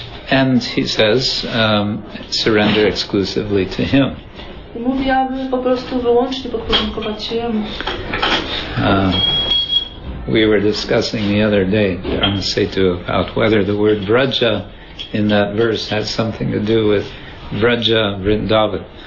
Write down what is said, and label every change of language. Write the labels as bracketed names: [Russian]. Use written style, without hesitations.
[English] And he says, surrender exclusively to him. [Polish] I mówi, aby po prostu wyłącznie podporządkować się jemu. [English] We were discussing the other day, Dharma Setu, about whether the word Vraja in that verse has something to do with Vraja Vrindavan.